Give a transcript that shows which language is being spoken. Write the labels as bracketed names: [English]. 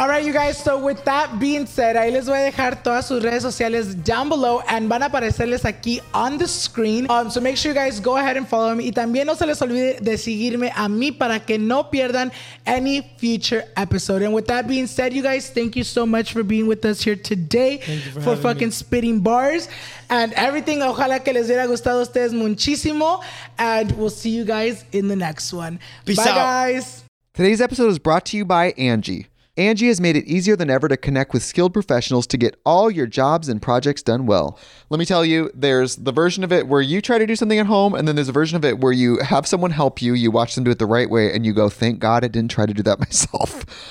[English] All right, you guys. So with that being said, [Spanish] ahí les voy a dejar todas sus redes sociales [English] down below and [Spanish] van a aparecerles aquí [English] on the screen. So make sure you guys go ahead and follow me. [Spanish] Y también no se les olvide de seguirme a mí para que no pierdan [English] any future episode. And with that being said, you guys, thank you so much for being with us here today. Thank you for fucking me. Spitting bars and everything. [Spanish] Ojalá que les hubiera gustado a ustedes muchísimo. [English] And we'll see you guys in the next one. Peace Bye, out. Guys. Today's episode is brought to you by Angie. Angie has made it easier than ever to connect with skilled professionals to get all your jobs and projects done well. Let me tell you, there's the version of it where you try to do something at home, and then there's a version of it where you have someone help you, you watch them do it the right way, and you go, thank God I didn't try to do that myself.